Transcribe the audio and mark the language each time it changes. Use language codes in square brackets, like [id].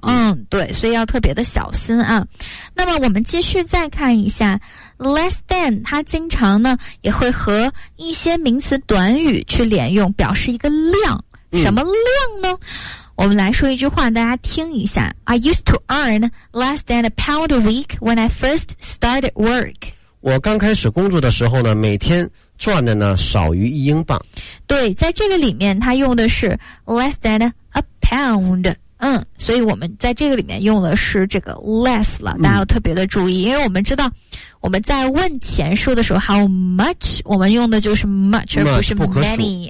[zh] 嗯，对，所以要特别的小心啊。那么我们继续再看一下 less than, 它经常呢也会和一些名词短语去连用，表示一个量，什么量呢、嗯、我们来说一句话大家听一下。 [en] I used to earn less than a pound a week when I first started work. [zh] 我刚开始工作的时候呢每天赚的呢少于一英镑。对，在这个里面它用的是 less than a pound。嗯，所以我们在这个里面用的是这个 less 了，大家要特别的注意、嗯、因为我们知道我们在问钱数的时候 how much 我们用的就是 much 而不是 many